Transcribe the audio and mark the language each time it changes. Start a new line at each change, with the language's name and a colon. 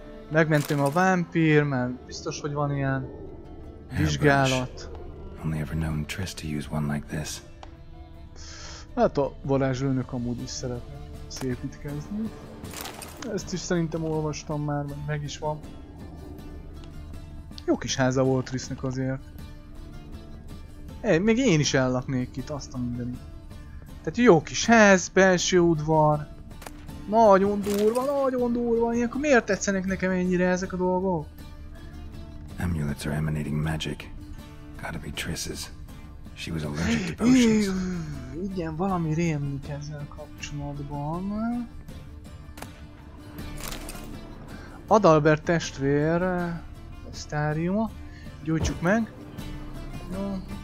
Hungarian: Megmentem a vámpír, mert biztos, hogy van ilyen vizsgálat.
English: Only ever known Triss to use one like this.
Hungarian: Hát a varázslőnök amúgy is szeretne szépítkezni. Ezt is szerintem olvastam már, mert meg is van. Jó kis háza volt Trissnek azért. Még én is ellaknék itt, azt a mindenit. Tehát jó kis ház, belső udvar. Nagyon durva. Ilyenkor miért tetszenek nekem ennyire ezek a dolgok?
English: Amulets are emanating magic. Gotta be Triss's. She was allergic to potions.
Hungarian: Igen, valami rémlik ezzel kapcsolatban. Adalbert testvér sztáriuma. Gyújtsuk meg. Jó.